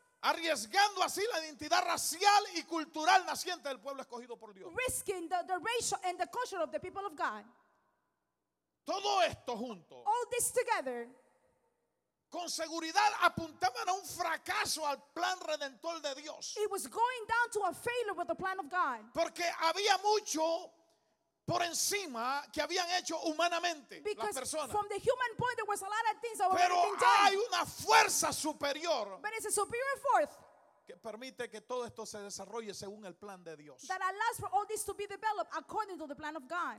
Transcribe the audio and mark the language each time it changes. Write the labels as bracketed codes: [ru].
[es] arriesgando así la identidad racial y cultural naciente del pueblo escogido por Dios. [en] Risking the racial and the culture of the people of God. [es] Todo esto junto. [en] All this together. [es] Con seguridad apuntaban a un fracaso al plan redentor de Dios. [en] It was going down to a failure with the plan of God. [es] Porque había mucho por encima que habían hecho humanamente las personas. [en] From the human point there was a lot of things that [es] pero [en] were being done. [es] Hay una fuerza superior, [en] but it's a superior force [es] que permite que todo esto se desarrolle según el plan de Dios. [en] That allows for all this to be developed according to the plan of God.